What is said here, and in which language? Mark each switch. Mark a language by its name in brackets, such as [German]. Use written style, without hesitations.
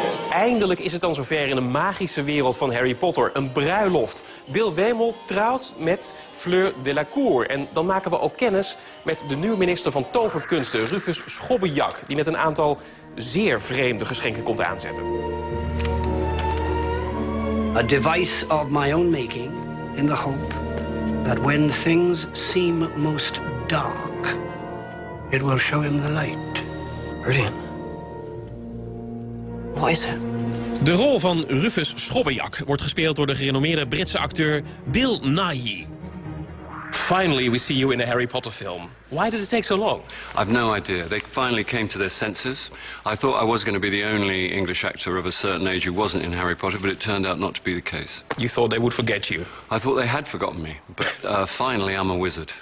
[Dutch] Eindelijk is het dan zover in de magische wereld van Harry Potter. Een bruiloft. Bill Wemmel trouwt met Fleur Delacour. En dan maken we ook kennis met de nieuwe minister van toverkunsten, Rufus Schobbejak, die met een aantal zeer vreemde geschenken komt aanzetten. [English] A device of my own making, in the hope that when things seem most dark, it will show him the light. Brilliant. What is it? [Dutch] De rol van Rufus Schobbejak wordt gespeeld door de gerenommeerde Britse acteur Bill Nighy. [English] Finally, we see you in a Harry Potter film. Why did it take so long? I've no idea. They finally came to their senses. I thought I was going to be the only English actor of a certain age who wasn't in Harry Potter, but it turned out not to be the case. You thought they would forget you? I thought they had forgotten me, but finally I'm a wizard.